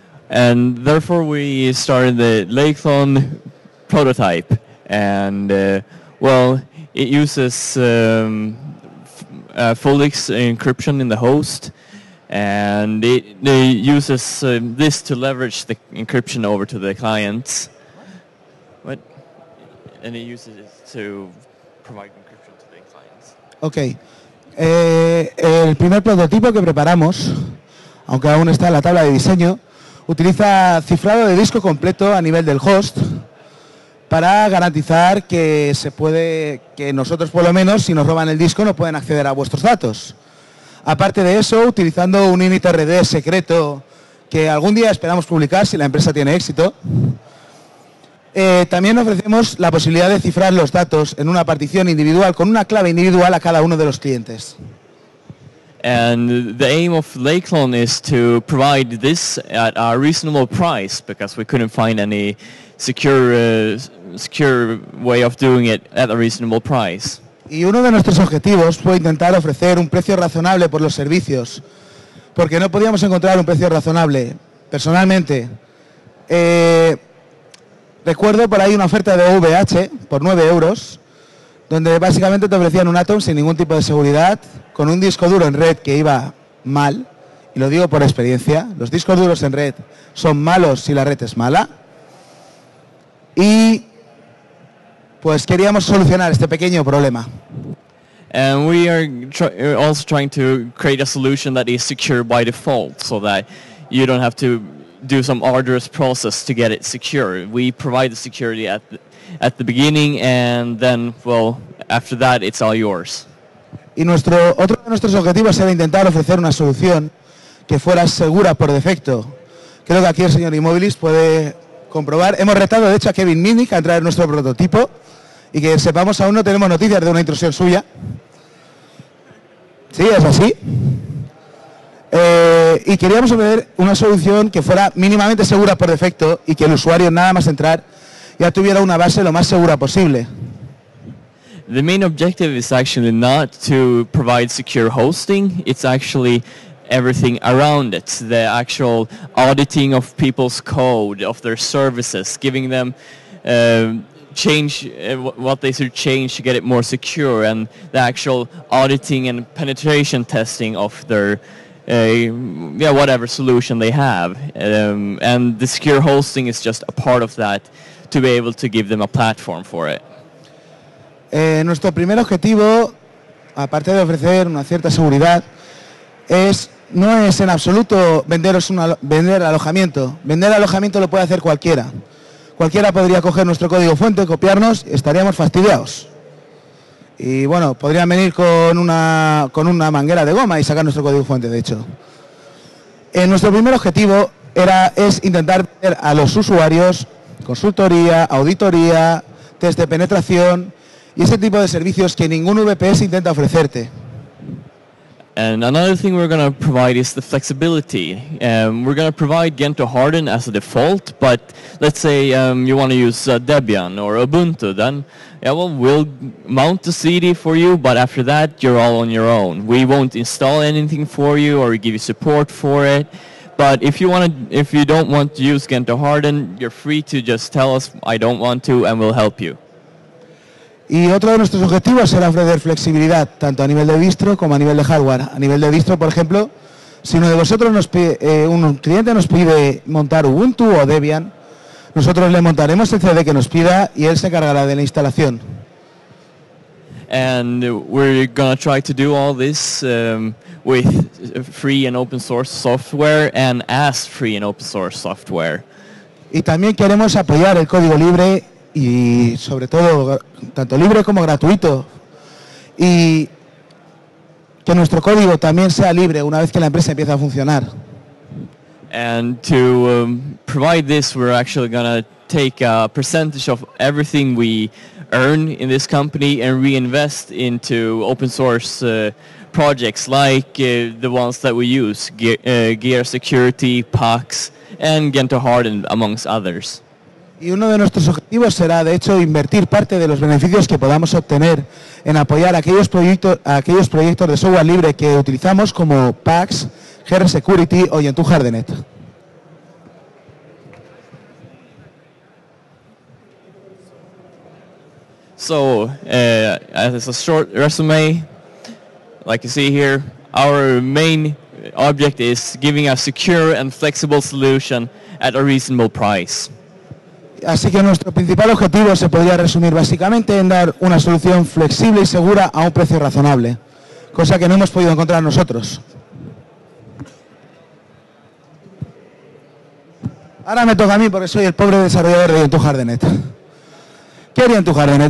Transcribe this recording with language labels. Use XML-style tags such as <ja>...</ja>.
<en>And therefore we started the Lakethon prototype, and it uses Fulix encryption in the host, and it uses this to leverage the encryption over to the clients. And it uses it to provide encryption to the clients. Okay.</en> <es>El primer prototipo que preparamos, aunque aún está en la tabla de diseño, utiliza cifrado de disco completo a nivel del host para garantizar que se puede, que nosotros por lo menos, si nos roban el disco, no pueden acceder a vuestros datos. Aparte de eso, utilizando un init RD secreto que algún día esperamos publicar si la empresa tiene éxito, también ofrecemos la posibilidad de cifrar los datos en una partición individual con una clave individual a cada uno de los clientes.</es> <en>And the aim of Lakethon is to provide this at a reasonable price because we couldn't find any secure way of doing it at a reasonable price.</en> <es>Y uno de nuestros objetivos fue intentar ofrecer un precio razonable por los servicios porque no podíamos encontrar un precio razonable personalmente. Recuerdo por ahí una oferta de VH por 9 euros, donde básicamente te ofrecían un Atom sin ningún tipo de seguridad, con un disco duro en red que iba mal, y lo digo por experiencia, los discos duros en red son malos si la red es mala, y pues queríamos solucionar este pequeño problema.</es> <en>And we are also trying to create a solution that is secure by default, so that you don't have to do some arduous process to get it secure. We provide the security at the beginning, and then, after that, it's all yours.</en> <es>Y otro de nuestros objetivos era intentar ofrecer una solución que fuera segura por defecto. Creo que aquí el señor Immobilis puede comprobar. Hemos retado, de hecho, a Kevin Minnick a entrar en nuestro prototipo y que sepamos aún no tenemos noticias de una intrusión suya. ¿Sí? ¿Es así? Y queríamos ofrecer una solución que fuera mínimamente segura por defecto y que el usuario, nada más entrar, ya tuviera una base lo más segura posible.</es> <en>The main objective is actually not to provide secure hosting, it's actually everything around it, the actual auditing of people's code, of their services, giving them what they should change to get it more secure, and the actual auditing and penetration testing of their whatever solution they have. And the secure hosting is just a part of that to be able to give them a platform for it.</en> <es>Nuestro primer objetivo, aparte de ofrecer una cierta seguridad, no es en absoluto vender alojamiento. Vender alojamiento lo puede hacer cualquiera. Cualquiera podría coger nuestro código fuente, copiarnos, estaríamos fastidiados. Y bueno, podrían venir con una manguera de goma y sacar nuestro código fuente, de hecho. Nuestro primer objetivo es intentar vender a los usuarios consultoría, auditoría, test de penetración, y ese tipo de servicios que ningún VPS intenta ofrecerte.</es> <en>And another thing we're going to provide is the flexibility. We're going to provide Gentoo Harden as a default, but let's say you want to use Debian or Ubuntu, then we'll mount the CD for you, but after that you're all on your own. We won't install anything for you or give you support for it. But if you don't want to use Gentoo Harden, you're free to just tell us I don't want to, and we'll help you.</en> <es>Y otro de nuestros objetivos será ofrecer flexibilidad, tanto a nivel de distro como a nivel de hardware. A nivel de distro, por ejemplo, si uno de vosotros nos pide, un cliente nos pide montar Ubuntu o Debian, nosotros le montaremos el CD que nos pida y él se encargará de la instalación.</es> <en>And we're going to try to do all this with free and open source software and as free and open source software.</en> <es>Y también queremos apoyar el código libre y sobre todo tanto libre como gratuito, y que nuestro código también sea libre una vez que la empresa empieza a funcionar.</es> <en>And to provide this, we're actually going to take a percentage of everything we earn in this company and reinvest into open source projects like the ones that we use, Gear Security, PAX, and Gentoo Harden, amongst others.</en> <es>Y uno de nuestros objetivos será, de hecho, invertir parte de los beneficios que podamos obtener en apoyar aquellos proyectos de software libre que utilizamos, como PAX, Gear Security o Gentoo Hardenet.</es> <en>So, as a short resume, like you see here, our main object is giving a secure and flexible solution at a reasonable price.</en> <es>Así que nuestro principal objetivo se podría resumir básicamente en dar una solución flexible y segura a un precio razonable, cosa que no hemos podido encontrar nosotros. Ahora me toca a mí porque soy el pobre desarrollador de Gentoo Hardenet. ¿Qué haría Gentoo Hardenet?</es>